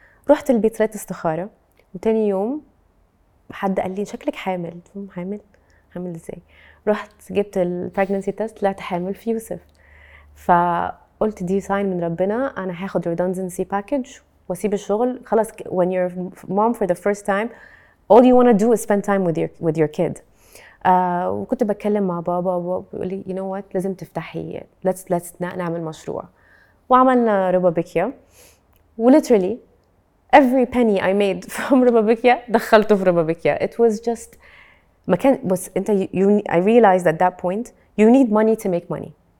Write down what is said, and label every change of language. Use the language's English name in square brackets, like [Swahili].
[Arabic] رحت البيت ريت استخاره, وتاني يوم حد قال لي شكلك حامل. حامل حامل ازاي؟ رحت جبت البريجننسي تيست طلعت حامل في يوسف. فقلت دي ساين من ربنا, انا هاخد ريدندنسي باكج واسيب الشغل خلاص. [English] when you're mom for the first time all you want to do is spend time with your kid. [Arabic] وكنت بتكلم مع بابا وبيقول لي [English] you know what [Arabic] لازم تفتحي let's نعمل مشروع. وعملنا ربا بيكيا, وليترلي [English] every penny I made from [Arabic] ربا بيكيا دخلته في ربا بيكيا. [English] it was just [Arabic] ما كان بس انت [English] I realized at that point you need money to make money.